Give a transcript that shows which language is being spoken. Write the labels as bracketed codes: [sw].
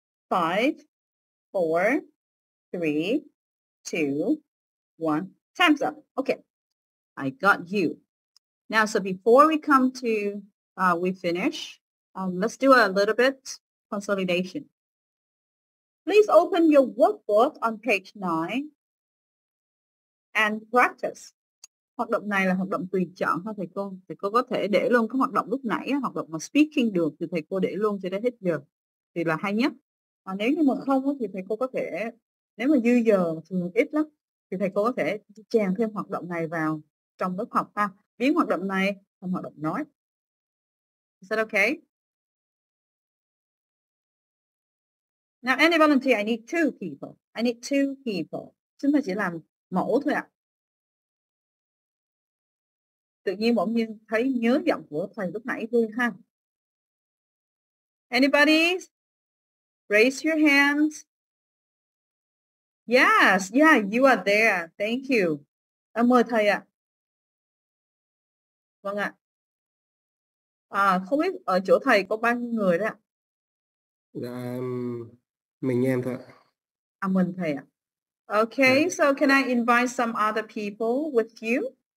[en] 5, 4, 3, 2, 1. Time's up. Okay. I got you. Now, so before we come to, we finish, let's do a little bit consolidation. Please open your workbook on page 9 and practice. [vi] Hoạt động này là hoạt động tùy chọn thôi thầy cô. Thầy cô có thể để luôn cái hoạt động lúc nãy, hoạt động mà speaking được thì thầy cô để luôn cho đến hết giờ thì là hay nhất. Và nếu như mà không thì thầy cô có thể, nếu mà dư giờ thường ít lắm thì thầy cô có thể chèn thêm hoạt động này vào trong lớp học ha. Biến hoạt động này thành hoạt động nói. [en] Is that okay? Now any volunteer, I need 2 people. I need 2 people. [vi] Chúng ta chỉ làm mẫu thôi ạ. Tự nhiên bỗng nhiên thấy nhớ giọng của thầy lúc nãy vui ha. [en] Anybody? Raise your hands. Yes, yeah, you are there. Thank you. [vi] À, mời thầy ạ. Vâng ạ. À, không biết ở chỗ thầy có bao nhiêu người đấy ạ? Dạ, mình em thôi ạ. À, mình thầy ạ. [en] Okay, dạ. So can I invite some other people with you?